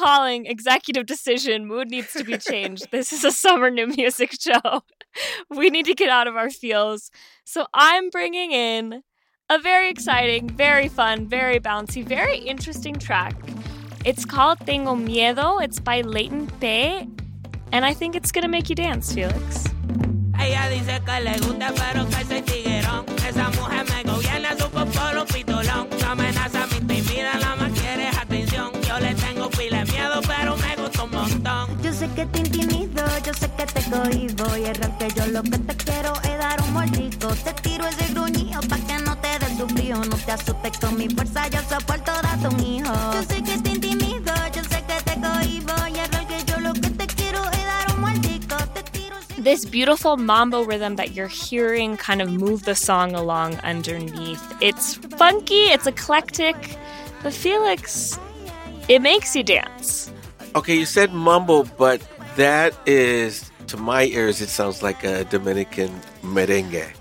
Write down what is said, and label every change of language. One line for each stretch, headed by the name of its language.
English: Calling executive decision. Mood needs to be changed. This is a summer new music show. We need to get out of our feels. So I'm bringing in a very exciting, very fun, very bouncy, very interesting track. It's called Tengo Miedo. It's by Leighton Pei. And I think it's going to make you dance, Felix.
Spanish: Ella dice que le gusta, pero que soy tiguerón. Esa mujer me gobierna, supo por un pitolón. Su amenaza me intimida, nada más quiere atención. Yo le tengo pila de miedo, pero me gusta un montón. Yo sé que te intimido, yo sé que te cohibo. Y es real que yo lo que te quiero es dar un mordisco. Te tiro ese gruñido pa' que no te dé tu frío. No te asustes con mi fuerza, yo soporto a tu hijo. Yo sé que te intimido, yo sé que te cohibo. Y es real que yo lo que te quiero es dar un mordisco. Te tiro ese gruñido.
English: This beautiful mambo rhythm that you're hearing kind of move the song along underneath. It's funky, it's eclectic, but Felix, it makes you dance. Okay, you said mambo, but that is, to my ears, it sounds like a Dominican merengue.